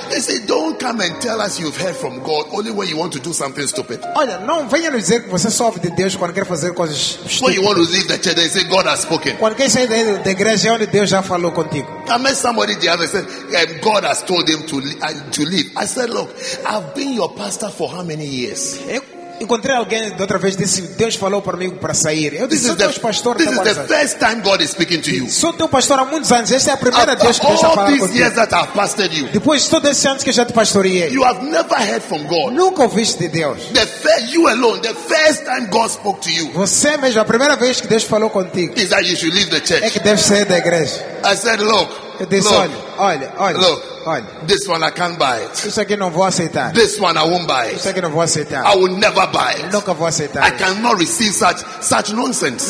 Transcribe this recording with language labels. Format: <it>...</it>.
<en>They say, don't come and tell us you've heard from God only when you want to do something stupid.</en> <pt>Olha, não venha nos dizer que você só ouve de Deus quando quer fazer coisas estúpidas.</pt> <en>When you want to leave the church, they say God has spoken.</en> <pt>Quando quer sair da igreja onde Deus já falou contigo.</pt> <en>I met somebody the other day said, yeah, God has told him to leave. I said, look, I've been your pastor for how many years?</en> <pt>Encontrei alguém da outra vez disse Deus falou para mim para sair. Eu disse Deus pastor.</pt> <en>This is the first time God is speaking to you.</en> <pt>Sou teu pastor há muitos anos. Esta é a primeira vez que Deus está falando contigo.</pt> <en>All these years that I've pastored you.</en> <pt>Depois todos esses anos que já te pastoreei.</pt> <en>You have never heard from God.</en> <pt>Nunca ouviste de Deus.</pt> <en>You alone, the first time God spoke to you.</en> <pt>Você mesmo a primeira vez que Deus falou contigo.</pt> <en>Is that you should leave the church?</en> <pt>É que deve sair da igreja.</pt> <en>I said look.</en> <pt>Eu disse olha.</pt> <en>Look. This one I can't buy it.</en> <pt>Isso aqui não vou aceitar.</pt> <en>This one I won't buy it.</en> <pt>Isso aqui não vou aceitar.</pt> <en>I will never buy it.</en> <pt>Nunca vou aceitar.</pt> <en>I cannot receive such nonsense.</en>